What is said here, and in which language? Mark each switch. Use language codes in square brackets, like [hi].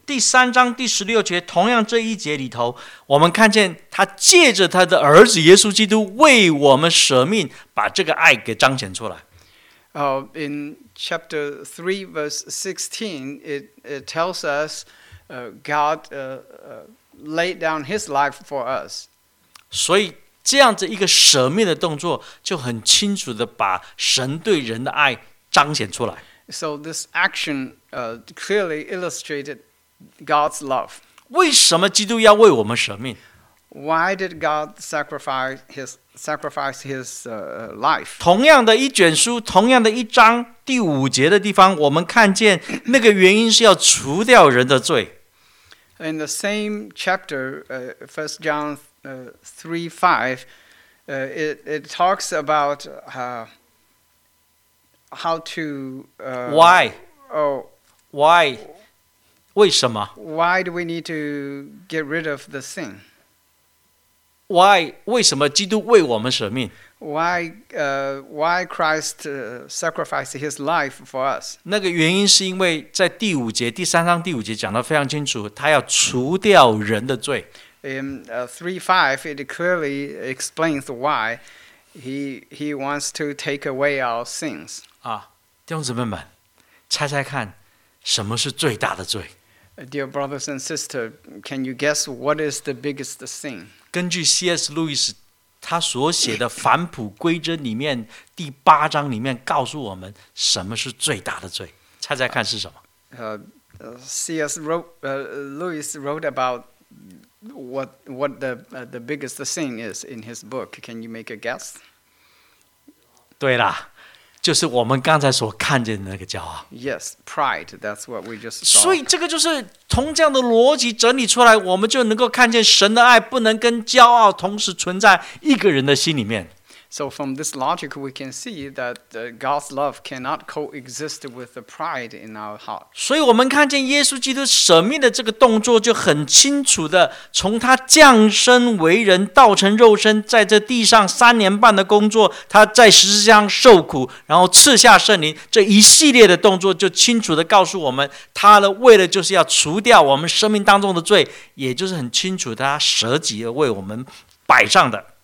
[zh] 第三章第十六节，同样这一节里头，我们看见他借着他的儿子耶稣基督为我们舍命，把这个爱给彰显出来。 [en] In chapter 3, verse 16, it tells us God laid down his life for us. [zh] 所以这样子一个舍命的动作，就很清楚的把神对人的爱彰显出来。 [en] So this action clearly illustrated God's love. [zh] 为什么基督要为我们舍命？ [en] Why did God sacrifice his life? [zh] 同样的一卷书，同样的一章，第五节的地方，我们看见那个原因是要除掉人的罪。 [en] In the same chapter, 1 John 3:5, it talks about Why? [zh] 为什么？ [en] Why do we need to get rid of the sin? Why? [zh] 为什么基督为我们舍命？ [en] Why Christ sacrificed his life for us? [zh] 那个原因是因为在第五节，第三章第五节讲得非常清楚，他要除掉人的罪。 [en] In 3:5, it clearly explains why he wants to take away our sins. [zh] 啊，弟兄姊妹们，猜猜看，什么是最大的罪 [en] ？Dear brothers and sisters, can you guess what is the biggest sin? [zh] 根据 C.S. Lewis 他所写的《返璞归真》里面第八章里面告诉我们，什么是最大的罪？猜猜看是什么 [en] ？C.S. Lewis wrote about what the biggest sin is in his book. Can you make a guess? [zh] 对啦。就是我们刚才所看见的那个骄傲。 [en] Yes, pride. That's what we just saw. [zh] 所以这个就是从这样的逻辑整理出来，我们就能够看见神的爱不能跟骄傲同时存在一个人的心里面。 [en] So from this logic, we can see that God's love cannot coexist with the pride in our heart. [zh] 所以我们看见耶稣基督舍命的这个动作就很清楚的，从他降生为人，道成肉身，在这地上三年半的工作，他在十字架上受苦，然后赐下圣灵，这一系列的动作就清楚的告诉我们，他的为了就是要除掉我们生命当中的罪，也就是很清楚他舍己而为我们摆上的。